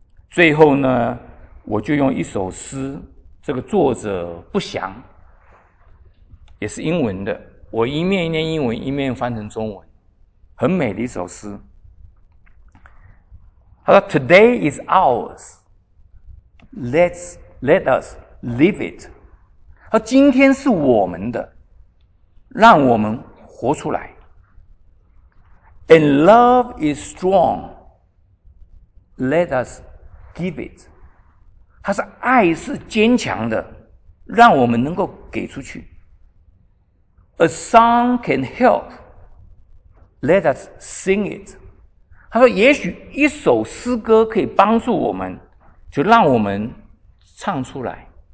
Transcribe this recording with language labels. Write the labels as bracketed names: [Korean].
[Chinese] 最后呢，我就用一首诗，这个作者不详，也是英文的，我一面念英文一面翻成中文，很美的一首诗。他说 [English] Today is ours, let us live it. [Chinese] 他今天是我们的，让我们活出来。 [English] And love is strong, let us give it. [Chinese] 他说爱是坚强的，让我们能够给出去。 [English] A song can help, let us sing it. [Chinese] 他说也许一首诗歌可以帮助我们，就让我们唱出来。